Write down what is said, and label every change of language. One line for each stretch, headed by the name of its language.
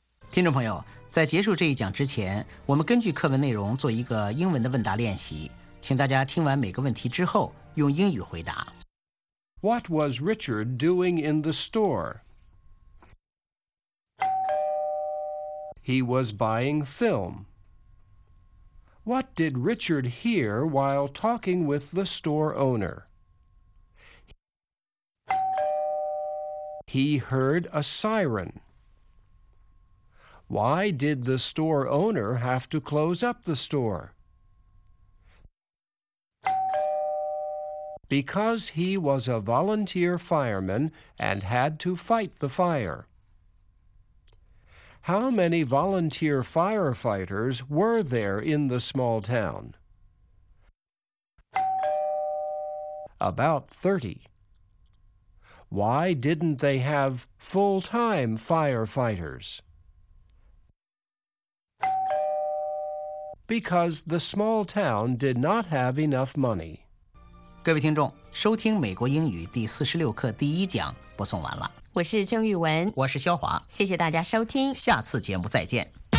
Chinese: 听众朋友，在结束这一讲之前，我们根据课文内容做一个英文的问答练习，请大家听完每个问题之后用英语回答。
English: What was Richard doing in the store? He was buying film. What did Richard hear while talking with the store owner? He heard a siren. Why did the store owner have to close up the store? Because he was a volunteer fireman and had to fight the fire. How many volunteer firefighters were there in the small town? About 30. Why didn't they have full-time firefighters? Because the small town did not have enough money.
Chinese: 各位听众，收听美国英语第46课第一讲播送完了。我是郑玉文，我是肖华，谢谢大家收听，下次节目再见。